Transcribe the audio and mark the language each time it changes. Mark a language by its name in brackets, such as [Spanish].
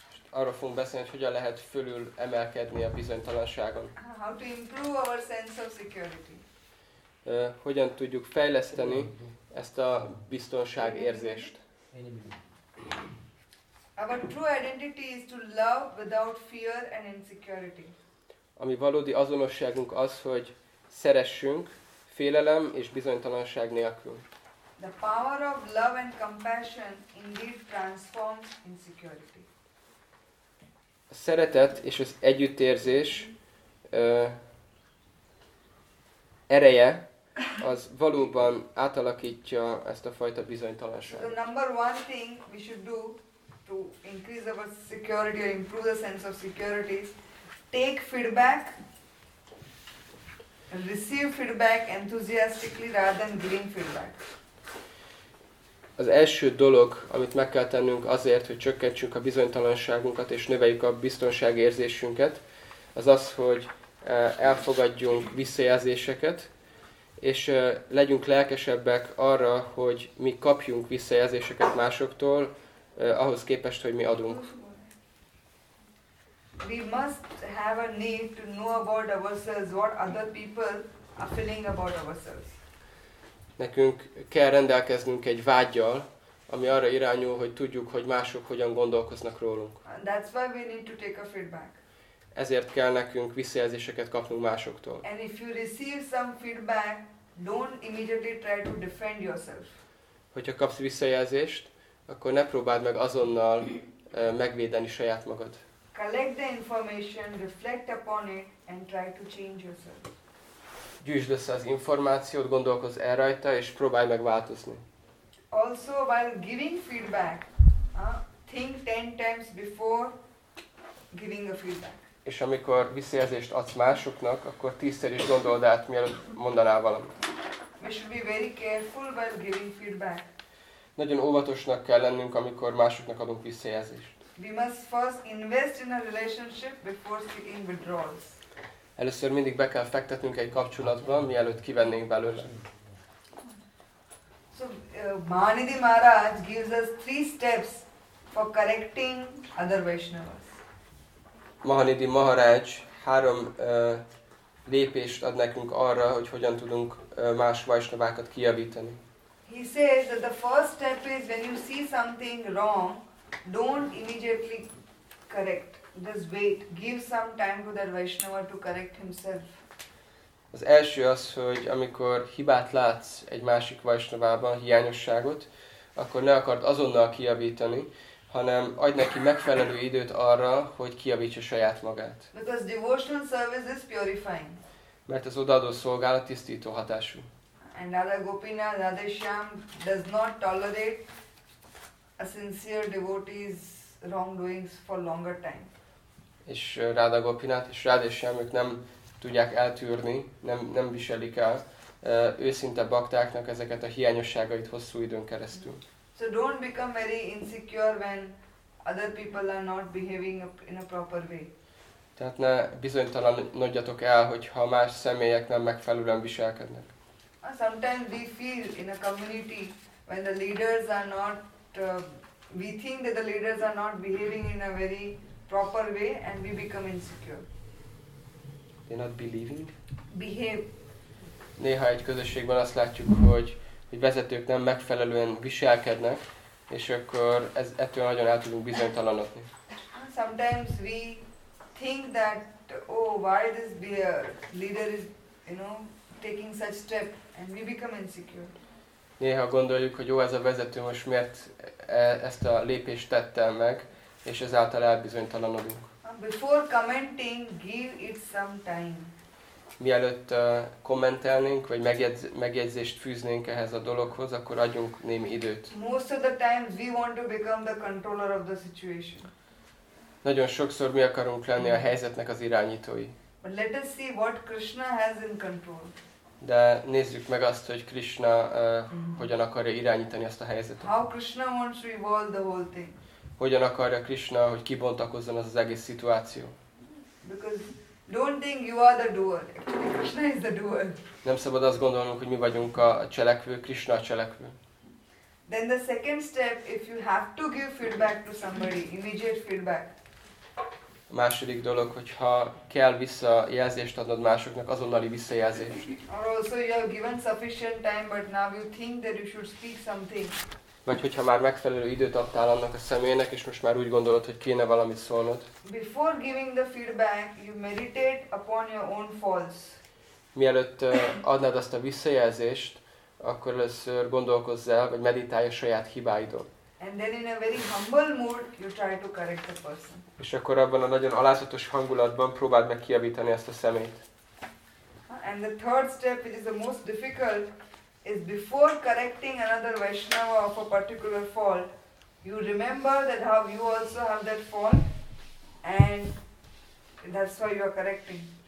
[Hungarian] Arról fogunk beszélni, hogy hogyan lehet fölül emelkedni a bizonytalanságon. [English] How to improve our sense of security? [Hungarian] Hogyan tudjuk fejleszteni ezt a biztonság érzést? [English] Our true identity is to love without fear and insecurity. [Hungarian] Ami valódi azonosságunk az, hogy szeressünk félelem és bizonytalanság nélkül. [English] The power of love and compassion indeed transforms insecurity. [Hungarian] A szeretet és az együttérzés ereje az valóban átalakítja ezt a fajta bizonytalanságot. [English] So number one thing we should do to increase our security or improve the sense of security is take feedback, receive feedback enthusiastically rather than giving feedback. [Hungarian] Az első dolog, amit meg kell tennünk azért, hogy csökkentsük a bizonytalanságunkat és növeljük a biztonságérzésünket, az az, hogy elfogadjunk visszajelzéseket, és legyünk lelkesebbek arra, hogy mi kapjunk visszajelzéseket másoktól, ahhoz képest, hogy mi adunk. [English] We must have a need to know about ourselves, what other people are feeling about ourselves. [Hungarian] Nekünk kell rendelkeznünk egy vággyal, ami arra irányul, hogy tudjuk, hogy mások hogyan gondolkoznak rólunk. [English] And that's why we need to take a feedback. [Hungarian] Ezért kell nekünk visszajelzéseket kapnunk másoktól. [English] And if you receive some feedback, don't immediately try to defend yourself. [Hungarian] Hogyha kapsz visszajelzést, akkor ne próbáld meg azonnal megvédeni saját magad. [English] Collect the information, reflect upon it, and try to change yourself. [Hungarian] Gyűjtsd össze az információt, gondolkozz el rajta, és próbálj meg változni. [English] Also, while giving feedback, think 10 times before giving a feedback. [Hungarian] És amikor visszajelzést adsz másoknak, akkor 10-szer is gondold át, mielőtt mondanál valamit. [English] We should be very careful while giving feedback. [Hungarian] Nagyon óvatosnak kell lennünk, amikor másoknak adunk visszajelzést. [English] We must first invest in a relationship before seeking withdrawals. [Hungarian] Először mindig be kell fektetnünk egy kapcsolatba, mielőtt kivennénk belőle. [English] So, Manidhi Maharaj gives us 3 steps for correcting other Vaishnavas. [Hungarian] Manidhi Maharaj 3 lépést ad nekünk arra, hogy hogyan tudunk más Vaishnavákat kijavítani. [English] He says that the first step is when you see something wrong, don't immediately correct. Just wait. Give some time to that Vaishnava to correct himself. [Hungarian] Az első az, hogy amikor hibát látsz egy másik Vaishnavában, hiányosságot, akkor ne akard azonnal kijavítani, hanem adj neki megfelelő időt arra, hogy kijavítsa saját magát. [English] Because devotional service is purifying. [Hungarian] Mert az odaadó szolgálat tisztító hatású. [English] And Radha Gopina, Radha Shyam does not tolerate a sincere devotee's wrongdoings for longer time. [Hungarian] És Radha Gopinát és Radha Shyamot nem tudják eltűrni, nem viselik el őszinte baktáknak ezeket a hiányosságait hosszú időn keresztül. [English] So don't become very insecure when other people are not behaving in a proper way. [Hungarian] Tehát ne bizonytalanodjatok el, hogyha más személyek nem megfelelően viselkednek. [English] Sometimes we feel in a community when the leaders are not we think that the leaders are not behaving in a very proper way and we become insecure. They're not believing. Behave. [Hungarian] Néha egy közösségben azt látjuk, hogy vezetők nem megfelelően viselkednek, és akkor ettől nagyon el tudunk bizonytalanodni. [English] Sometimes we think that why this leader is taking such step and we become insecure. [Hungarian] Néha gondoljuk, hogy ez a vezető most miért ezt a lépést tette meg, és ezáltal elbizonytalanodunk. [English] Before commenting, give it some time. [Hungarian] Mielőtt kommentelnénk, vagy megjegyzést fűznénk ehhez a dologhoz, akkor adjunk némi időt. [English] Most of the times we want to become the controller of the situation. [Hungarian] Nagyon sokszor mi akarunk lenni a helyzetnek az irányítói. [English] But let us see what Krishna has in control. [Hungarian] De nézzük meg azt, hogy Krishna hogyan akarja irányítani ezt a helyzetet. [English] How Krishna wants to evolve the whole thing. [Hungarian] Hogyan akarja Krishna, hogy kibontakozzon az egész szituáció? [English] Because don't think you are the doer. Actually, Krishna is the doer. [Hungarian] Nem szabad azt gondolnunk, hogy mi vagyunk a cselekvő, Krishna a cselekvő. [English] Then the second step, if you have to give feedback to somebody, immediate feedback. [Hungarian] A második dolog, hogyha kell visszajelzést adnod másoknak, azonnali visszajelzést. [English] Or also you have given sufficient time, but now you think that you should speak something. [Hungarian] Vagy hogyha már megfelelő időt adtál annak a személynek, és most már úgy gondolod, hogy kéne valamit szólnod. [English] Before giving the feedback, you meditate upon your own faults. [Hungarian] Mielőtt adnád azt a visszajelzést, akkor először gondolkozz el, vagy meditálj a saját hibáidon. [English] And then in a very humble mood you try to correct the person. [Hungarian] És akkor abban a nagyon alázatos hangulatban próbáld meg kijavítani ezt a szemét. [English] And the third step, which is the most difficult, is before correcting another Vaishnava of a particular fault, you remember that how you also have that fault, and that's why you are correcting.